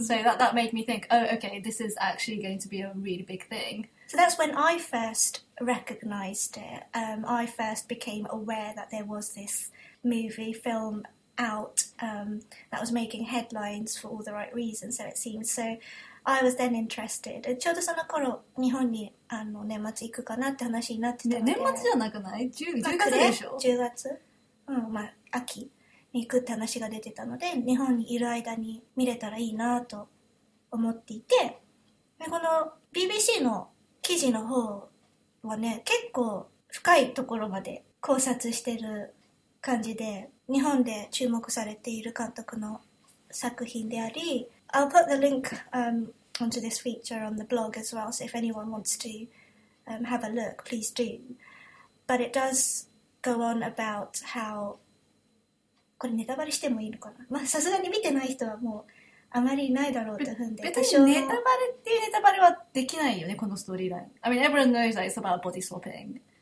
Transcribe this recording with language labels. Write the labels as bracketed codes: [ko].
[en] So that made me think, oh, okay, this is actually going to be a really big thing. So that's when I first recognized it. I first became aware that there was this movie, filmout that was making headlines for all the right reasons, so it seems. So I was then interested. [ja] ちょうどその頃日本に年末行くかなって話になってたので、ね、年末じゃなくない10月でしょ、 10月、秋に行くって話が出てたので、日本にいる間に見れたらいいなと思っていて、でこの BBC の記事の方はね、結構深いところまで考察してる感じで、日本で注目されている監督の作品であり、 [en] I'll put the link onto this feature on the blog as well, so if anyone wants to have a look, please do. But it does go on about how... [ja] これネタバレしてもいいのかな？さすがに見てない人はもうあまりないだろうと踏んで、別にネタバレっていうネタバレはできないよね、このストーリーライン。 [en] I mean, everyone knows that it's about body swapping.